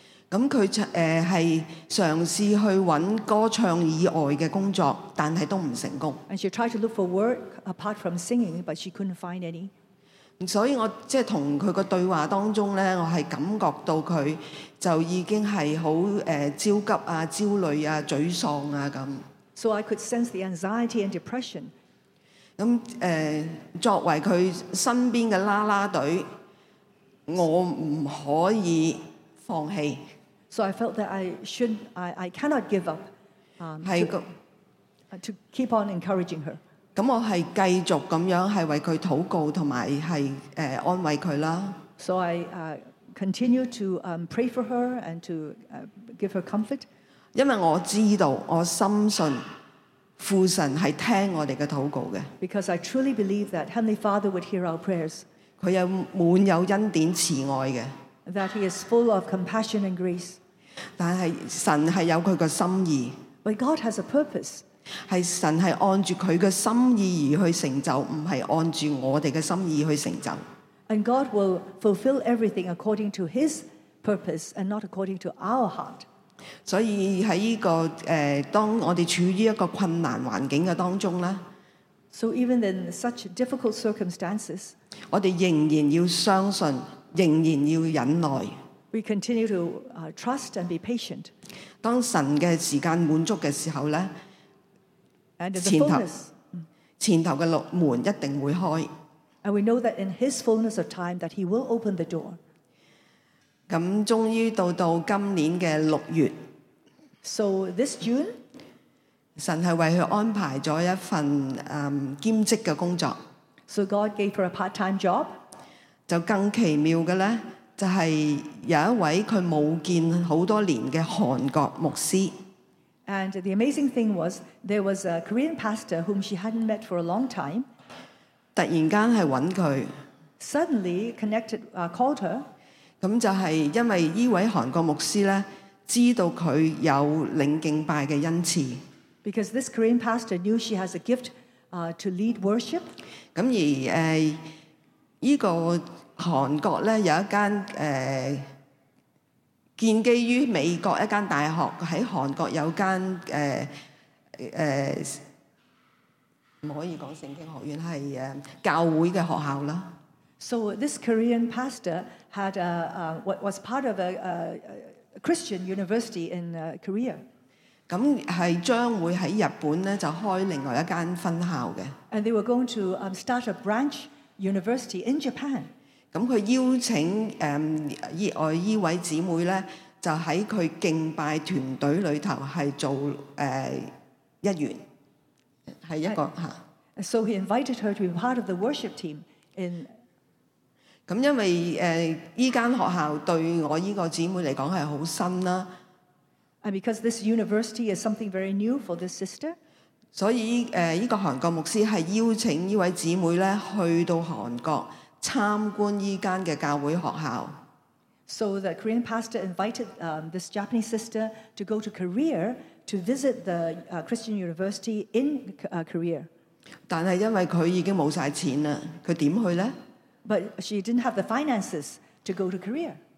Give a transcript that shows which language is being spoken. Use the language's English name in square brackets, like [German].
[Chinese] 咁佢係嘗試去揾歌唱以外嘅工作，但係都唔成功。 [English] And she tried to look for work apart from singing, but she couldn't find any. [Chinese] 所以我即係同佢個對話當中咧，我係感覺到佢就已經係好焦急啊、焦慮啊、沮喪啊咁。 [English] So I could sense the anxiety and depression. [Chinese] 咁作為佢身邊嘅啦啦隊，我唔可以放棄。 [English] So I felt that I cannot give up. [Chinese] 係個 [English] to keep on encouraging her. [Chinese] 咁我係繼續咁樣係為佢禱告同埋係安慰佢啦。 [English] So I continue to pray for her and to give her comfort. [Chinese] 因為我知道，我深信父神係聽我哋嘅禱告嘅。 [English] Because I truly believe that Heavenly Father would hear our prayers. [Chinese] 佢有滿有恩典慈愛嘅。 [English] That He is full of compassion and grace. [Chinese] 但係神係有佢嘅心意。 [English] But God has a purpose. [Chinese] 係神係按住佢嘅心意而去成就，唔係按住我哋嘅心意去成就。 [English] And God will fulfill everything according to His purpose and not according to our heart. [Chinese] 所以喺呢、这个当我哋处于一个困难环境嘅当中咧 [English] ，So even in such difficult circumstances， [Chinese] 我哋仍然要相信，仍然要忍耐。 [English] We continue to trust and be patient。 [Chinese] 当神嘅时间满足嘅时候咧 [English] ，And the fullness， [Chinese] 前头嘅门一定会开。 [English] And we know that in His fullness of time that He will open the door。 [Chinese] 咁終於到今年嘅六月 [English] ，So this June， [Chinese] 神係為佢安排咗一份兼職嘅工作。 [English] So God gave her a part-time job。 [Chinese] 就更奇妙嘅咧，就係有一位佢冇見好多年嘅韓國牧師。 [English] And the amazing thing was there was a Korean pastor whom she hadn't met for a long time。 [Chinese] 突然間係揾佢 [English] ，Suddenly connected called her。 [Chinese] 咁就係因為依位韓國牧師咧，知道佢有領敬拜嘅恩賜。 [English] Because this Korean pastor knew she has a gift to lead worship. [Chinese] 咁而依個韓國咧有一間建基於美國一間大學喺韓國有間唔可以講聖經學院係教會嘅學校啦。 [English] So this Korean pastor had what was part of a Christian university in Korea. [Chinese] 咁係將會喺日本咧就開另外一間分校嘅。 [English] And they were going to start a branch university in Japan. [Chinese] 咁佢邀請依位姊妹咧，就喺佢敬拜團隊裏頭係做一員，係一個嚇。 [English] So he invited her to be part of the worship team in. [Chinese] 咁因為依間學校對我依個姊妹嚟講係好新啦。 [English] And because this university is something very new for this sister， [Chinese] 所以依個韓國牧師係邀請依位姊妹咧去到韓國參觀依間嘅教會學校。 [English] So the Korean pastor invited this Japanese sister to go to Korea to visit the Christian university in Korea。 [Chinese] 但係因為佢已經冇曬錢啦，佢點去咧？ [English] But she didn't have the finances to go to Korea.